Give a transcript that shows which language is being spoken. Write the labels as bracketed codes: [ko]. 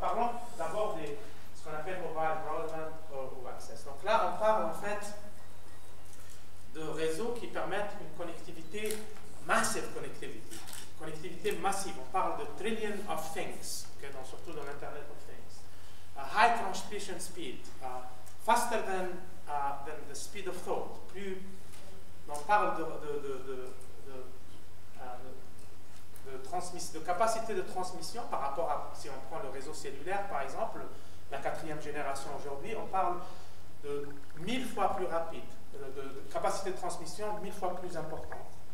[fr] Parlons d'abord de ce qu'on appelle mobile broadband ou access. Donc là, on parle en fait de réseaux qui permettent une connectivité massive, connectivité massive. On parle de [en] trillion of things, [fr] okay, donc surtout dans l'Internet of Things. [en] A high transmission speed, faster than the speed of thought. [fr] Plus on parle de capacité de transmission par rapport à, si on prend le réseau cellulaire par exemple, la quatrième génération aujourd'hui, on parle de 1000 fois plus rapide, de capacité de transmission 1000 fois plus importante.